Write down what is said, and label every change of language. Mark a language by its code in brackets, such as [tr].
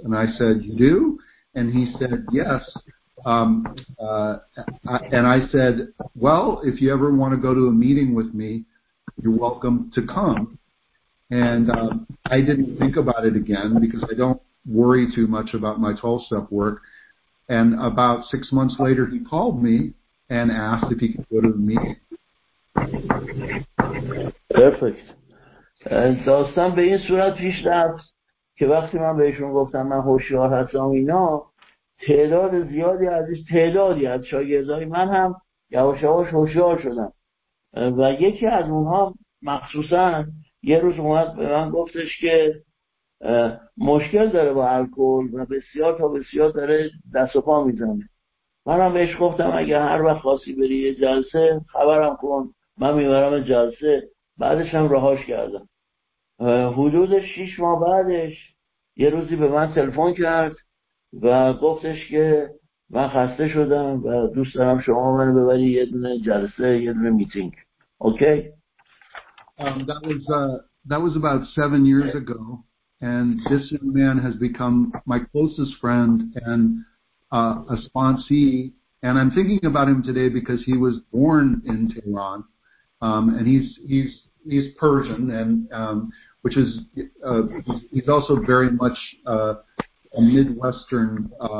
[en] And I said, you do? And he said, yes. And I said, well, if you ever want to go to a meeting with me, you're welcome to come. And I didn't think about it again because I don't worry too much about my 12-step work. And about 6 months later, he called me and asked if he could go to the meeting. Perfect. [fa] And داستان به این صورت پیش رفت که وقتی من بهشون گفتم من هوشیار هستم اینا، تعدادی از شاگردای من هم یواش یواش هوشیار شدن و یکی از اونها مخصوصاً یه روز اومد به من گفتش که مشکل داره با الکل و بسیار تا بسیار داره دست و پا میزنه. منم بهش گفتم اگه هر وقت خواستی بری یه جلسه خبرم کن، من میبرم جلسه. بعدش هم رهاش کردم. حدود 6 ماه بعدش یه روزی به من تلفن کرد و گفتش که من خسته شدم و دوست دارم شما منو ببری یه دونه جلسه، یه دونه میتینگ. اوکی؟ [en] That was that was about 7 years ago, and this young man has become my closest friend and a sponsee. And I'm thinking about him today because he was born in Tehran, and he's Persian, and which is he's also very much a Midwestern.